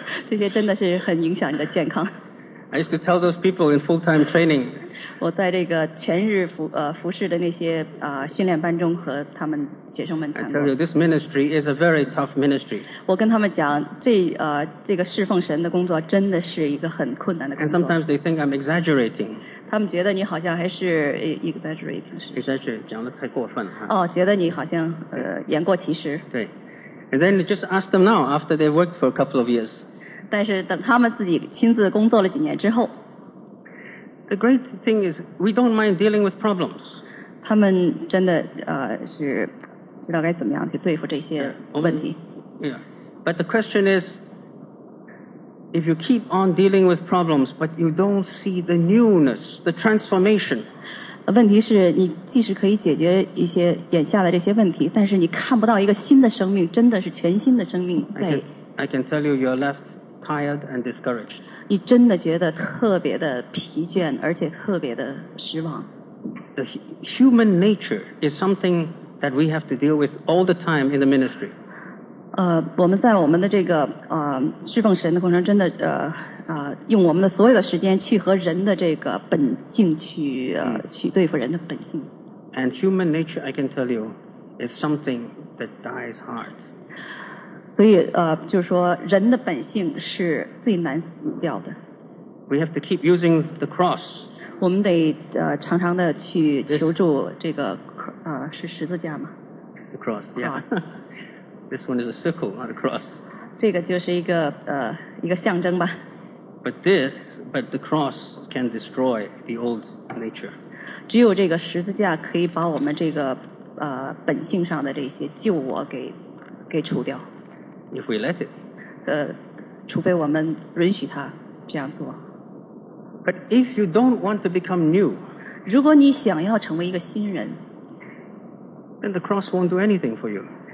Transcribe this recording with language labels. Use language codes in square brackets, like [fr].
[zh] 这些真的是很影响你的健康。 [en] I used to tell those people in full-time training. [zh] 我在这个全日服侍的那些训练班中和他们学生们谈过。 [en] I tell you, this ministry is a very tough ministry. [zh] 我跟他们讲，这个侍奉神的工作真的是一个很困难的工作。 [en] And sometimes they think I'm exaggerating. [zh] 他们觉得你好像还是 exaggerating. Exaggerate 讲得太过分了。哦，觉得你好像言过其实。对。 [en] And then just ask them now after they've worked for a couple of years. [zh] 但是等他们自己亲自工作了几年之后。 [en] The great thing is we don't mind dealing with problems. [zh] 他们真的是不知道该怎么样去对付这些问题。 [en] Yeah. But the question is, if you keep on dealing with problems, but you don't see the newness, the transformation. [zh] 问题是你即使可以解决一些眼下的这些问题，但是你看不到一个新的生命，真的是全新的生命在。 [en] I can tell you, you're left tired and discouraged. [zh] 你真的觉得特别的疲倦，而且特别的失望。 [en] The human nature is something that we have to deal with all the time in the ministry. [zh] 我们在我们的这个侍奉神的过程，真的用我们的所有的时间去和人的这个本性去对付人的本性。 [en] And human nature, I can tell you, is something that dies hard. [zh] 所以就是说人的本性是最难死掉的。 [en] We have to keep using the cross. [zh] 我们得常常的去求助这个是十字架吗？ [en] The cross, yeah. This one is a circle, not a cross. [zh] 这个就是一个象征吧。 [en] But the cross can destroy the old nature. [zh] 只有这个十字架可以把我们这个本性上的这些旧我给除掉。 [en] If we let it. [zh] 除非我们允许他这样做。 [en] But if you don't want to become new, [zh] 如果你想要成为一个新人， [en] then the cross won't do anything for you.